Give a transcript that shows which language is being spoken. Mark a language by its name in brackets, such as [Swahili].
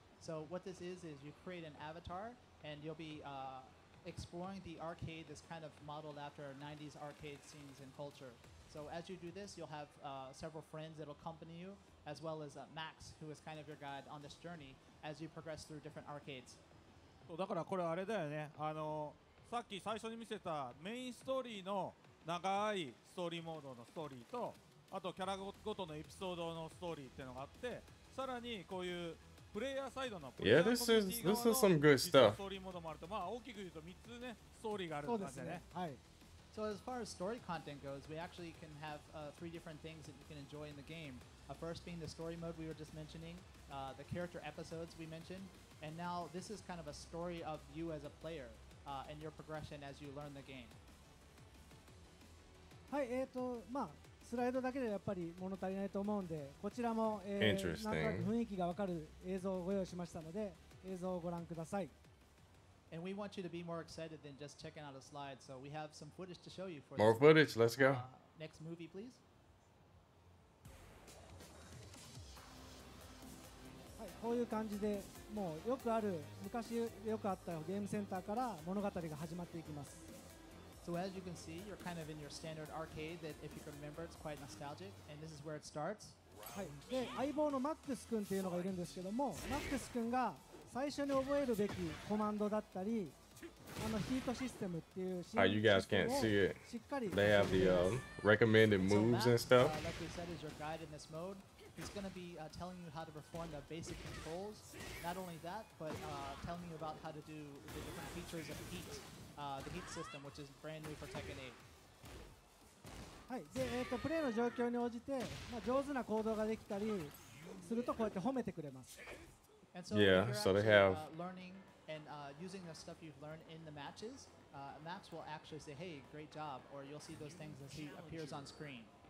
[English] So what this is you create an avatar, and you'll be exploring the arcade that's kind of modeled after 90s arcade scenes and culture. So as you do this, you'll have several friends that'll accompany you, as well as Max, who is kind of your guide on this journey as you progress through different arcades. [Japanese] だからこれあれだよね。さっき最初に見せたメインストーリーの長いストーリーモードのストーリーと、あとキャラごとのエピソードのストーリーっていうのがあって、さらにこういうプレイヤーサイドのプレイヤーコミュニティ側のストーリーモードもあると、まあ大きく言うと3つねストーリーがあるって感じだね。はい。 [English] So as far as story content goes, we actually can have three different things that you can enjoy in the game. First being the story mode we were just mentioning, the character episodes we mentioned. And now this is kind of a story of you as a player, and your progression as you learn the game. [Japanese] はい、まあスライドだけでやっぱり物足りないと思うんで、こちらも、なんか雰囲気がわかる映像をご用意しましたので、映像をご覧ください。 [English] And we want you to be more excited than just checking out a slide, so we have some footage to show you for more footage. Let's go. Next movie, please. [Japanese] こういう感じで、もうよくある、昔よくあったゲームセンターから物語が始まっていきます。 [English] So as you can see, you're kind of in your standard arcade that if you can remember, it's quite nostalgic, and this is where it starts. [Japanese] はい。で、相棒のマックス君っていうのがいるんですけども、マックス君が最初に覚えるべきコマンドだったり、あのヒートシステムっていうシステムをしっかり。 [English] They have the recommended moves and stuff. So Max, like we said, is your guide in this mode. He's going to be telling you how to perform the basic controls. Not only that, but telling you about how to do the different features of heat, the heat system, which is brand new for Tekken 8. [Japanese] はい。で、プレイの状況に応じて、まあ、上手な行動ができたりすると、こうやって褒めてくれます。 [English] And so, yeah, so they have learning and using the stuff you've learned in the matches, Max will actually say, hey, great job, or you'll see those things as he appears on screen.